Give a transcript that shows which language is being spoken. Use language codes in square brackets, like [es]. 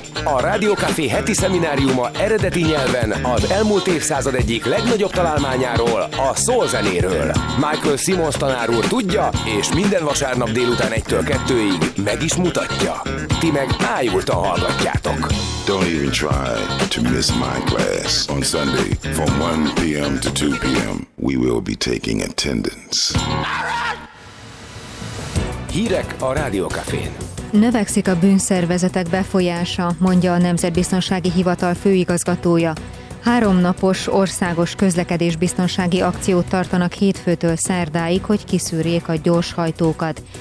[hu] A Rádió Café heti szemináriuma eredeti nyelven az elmúlt évszázad egyik legnagyobb találmányáról, a soul zenéről. Michael Simmons tanár úr tudja, és minden vasárnap délután 1-től 2-ig meg is mutatja. Ti meg ájultan hallgatjátok. [en] Don't even try to miss my class on Sunday from 1 p.m. to 2 p.m. We will be taking attendance. [hu] Hírek a Rádió Cafén. Növekszik a bűnszervezetek befolyása, mondja a Nemzetbiztonsági Hivatal főigazgatója. Háromnapos országos közlekedésbiztonsági akciót tartanak hétfőtől szerdáig, hogy kiszűrjék a gyors hajtókat.